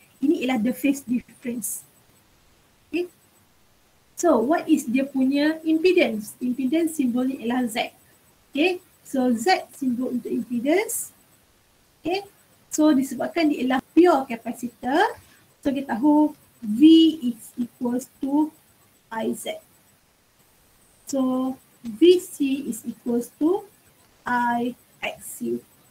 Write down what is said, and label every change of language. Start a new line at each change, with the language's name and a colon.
Malay: Ini ialah
English: the phase difference.
Malay: Okay.
English: So what is
Malay: dia punya
English: impedance?
Malay: Impedance simbol ni ialah Z. Okay, so Z simbol untuk impedance. Okay, so disebabkan dia ialah pure capacitor, so kita tahu
English: V is equals to IZ. So VC is equals to IXC.